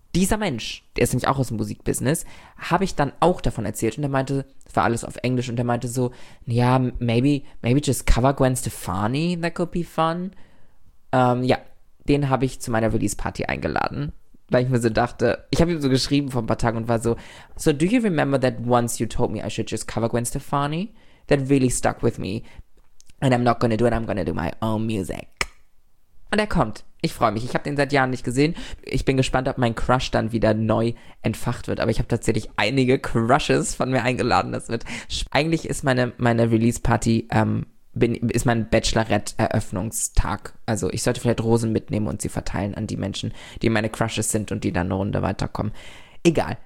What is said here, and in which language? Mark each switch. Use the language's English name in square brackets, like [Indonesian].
[German] dieser Mensch, der ist nämlich auch aus dem Musikbusiness, habe ich dann auch davon erzählt und der meinte, es war alles auf Englisch und der meinte so, ja, [English] maybe just cover Gwen Stefani, that could be fun. [German] Ja, den habe ich zu meiner Release-Party eingeladen, weil ich mir so dachte, ich habe ihm so geschrieben vor ein paar Tagen und war so, [English] so do you remember that once you told me I should just cover Gwen Stefani? That really stuck with me. And I'm not gonna do it, I'm gonna do my own music. [German] Und er kommt. Ich freue mich. Ich habe den seit Jahren nicht gesehen. Ich bin gespannt, ob mein Crush dann wieder neu entfacht wird. Aber ich habe tatsächlich einige Crushes von mir eingeladen. Das wird. Eigentlich ist meine Release-Party, ist mein Bachelorette-Eröffnungstag. Also ich sollte vielleicht Rosen mitnehmen und sie verteilen an die Menschen, die meine Crushes sind und die dann eine Runde weiterkommen. Egal.